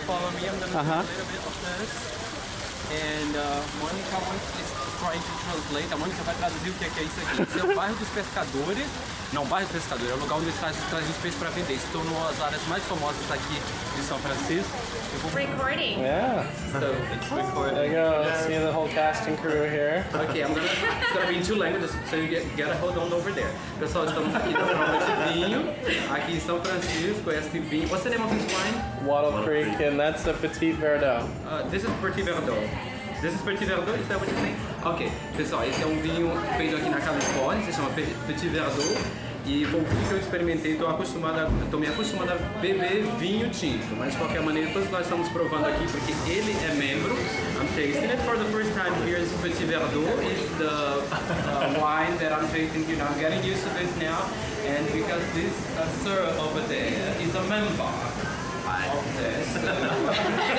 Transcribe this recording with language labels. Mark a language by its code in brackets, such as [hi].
[en] Follow me. I'm gonna do a little bit of this. And Monica is trying to translate. [pt] A Monica vai traduzir o que é isso aqui. Esse é o bairro dos pescadores. Não, bairro pescador, é o lugar onde traz os peixes para vender. Estou em uma das áreas mais famosas aqui de São Francisco. [en] Recording. Yeah. So, it's recording. There you go, yes. See the whole casting crew here. Okay, it's going to be in 2 languages, so you get a hold on over there. [pt] Pessoal, estamos aqui na prova de vinho, aqui em São Francisco, este vinho. [en] What's the name of this wine? Waddle Creek, and that's a Petit Verdot. This is Petit Verdot. This is Petit Verdot, is that what you think? [pt] Okay, pessoal, esse é um vinho feito aqui na Califórnia, se chama Petit Verdot. E foi o vinho que eu experimentei, tô me acostumando a beber vinho tinto. Mas de qualquer maneira, todos nós estamos provando aqui porque ele é membro. [en] I'm tasting it for the first time here in Petit Verdot. It's the wine that I'm tasting, you know, I'm getting used to this now. And because this sir over there is a member of this.